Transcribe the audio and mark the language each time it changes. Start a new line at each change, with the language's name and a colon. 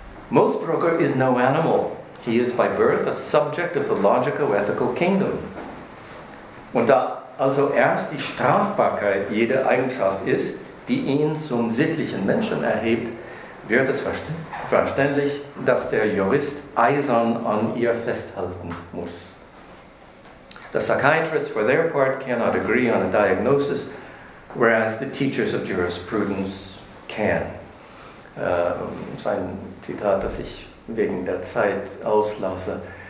English: Moosbrugger is no animal. He is by birth a subject of the logico-ethical kingdom.
German: Und da also erst die Strafbarkeit jede Eigenschaft ist, die ihn zum sittlichen Menschen erhebt, wird es verständlich, dass der Jurist eisern an ihr festhalten muss.
English: The psychiatrists, for their part, cannot agree on a diagnosis, whereas the teachers of jurisprudence can.
German: Sein Zitat, das ich wegen der Zeit auslasse.